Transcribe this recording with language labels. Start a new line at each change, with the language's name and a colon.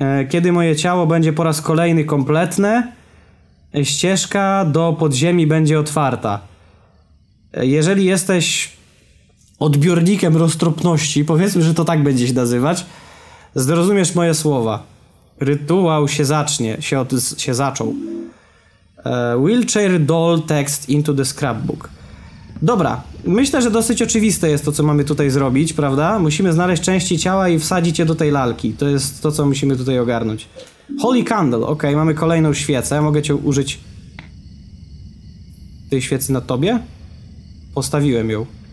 Polish: Kiedy moje ciało będzie po raz kolejny kompletne, ścieżka do podziemi będzie otwarta. Jeżeli jesteś odbiornikiem roztropności, powiedzmy, że to tak będzie się nazywać, zrozumiesz moje słowa. Rytuał się zacznie, się zaczął.
English: Wheelchair doll text into the scrapbook.
Polish: Dobra, myślę, że dosyć oczywiste jest to, co mamy tutaj zrobić, prawda? Musimy znaleźć części ciała i wsadzić je do tej lalki. To jest to, co musimy tutaj ogarnąć.
English: Holy candle,
Polish: okej, mamy kolejną świecę. Mogę cię użyć tej świecy na tobie? Postawiłem ją.